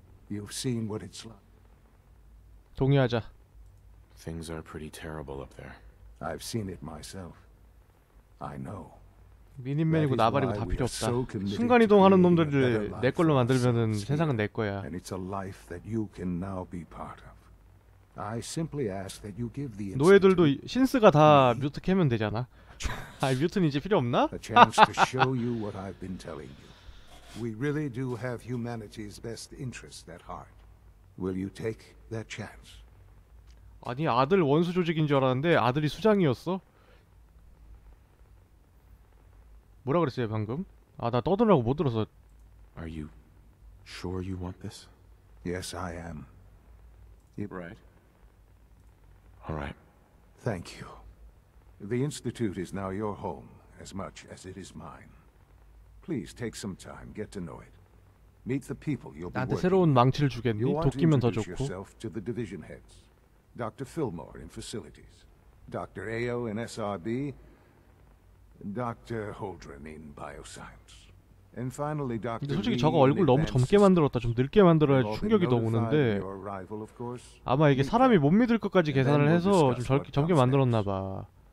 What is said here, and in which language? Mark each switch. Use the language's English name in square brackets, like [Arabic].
[English] You've seen what it's like. [Korean] 동의하자. [English] Things are pretty terrible up there. I've seen it myself. I know. [Korean] 미니맨이고 나발이고 다 필요 없다. 순간 이동하는 놈들을 내 걸로 만들면은 세상은 내 거야. [English] And it's a life that you can now be part of. I simply ask that you give the [Korean] 노예들도 신스가 다 뮤트 캐면 되잖아. 아, 뮤트는 이제 필요 없나? [English] A chance to show you what I've been telling you. We really do have humanity's best interests at heart. Will you take that chance? [Korean] 아니, 아들 원수 조직인 줄 알았는데 아들이 수장이었어. 뭐라 그랬어요 방금? 아, 나 떠들라고 못 들었어. [English] Are you sure you want this? Yes, I am. Right. All right. Thank you. The institute is now your home as much as it is mine. Please take some time, get to know it. Meet the people you'll be working. [Korean] 나한테 새로운 망치를 주겠니? 도끼면 더 좋고. [English] Yourself to the division heads. Dr. Fillmore in facilities. Dr. Ayo in SRB. Dr. Holdren in Bioscience. And finally, Dr. [Korean] 근데 솔직히 저거 얼굴 너무 젊게 만들었다. 좀 늙게 만들어야 충격이 더 오는데 아마 이게 사람이 못 믿을 것까지 계산을 해서 좀 젊게 만들었나 봐.